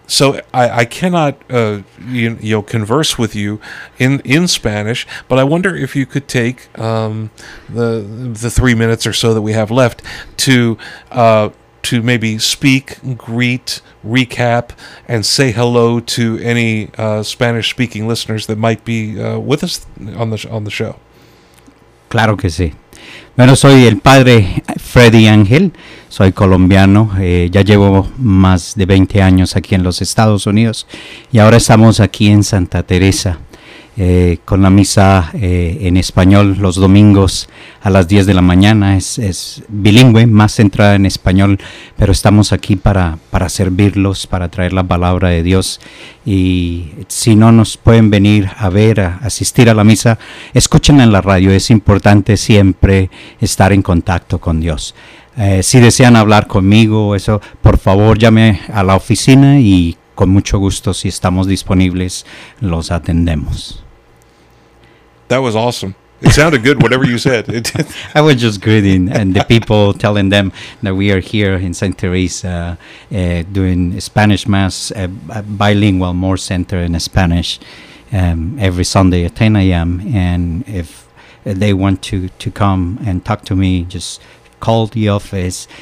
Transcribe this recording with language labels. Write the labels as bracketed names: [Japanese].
[English] So I cannot converse with you in Spanish, but I wonder if you could take the 3 minutes or so that we have left to maybe speak, greet, recap, and say hello to any Spanish-speaking listeners that might be with us on the show. [Spanish] Claro que sí. Bueno, soy el padre Freddy Ángel, soy colombiano, ya llevo más de 20 años aquí en los Estados Unidos y ahora estamos aquí en Santa Teresa con la misa en español los domingos a las 10 de la mañana. Es bilingüe, más centrada en español, pero estamos aquí para servirlos, para traer la palabra de Dios. Y si no nos pueden venir a ver, a asistir a la misa, escúchenla en la radio. Es importante siempre estar en contacto con Dios. Si desean hablar conmigo, eso, por favor, llame a la oficina y con mucho gusto, si estamos disponibles, los atendemos. [English] That was awesome. It sounded good, whatever you said. I was just greeting and the people, telling them that we are here in St. Teresa doing Spanish Mass, bilingual, more center in Spanish, every Sunday at 10 a.m. And if they want to come and talk to me, just call the office.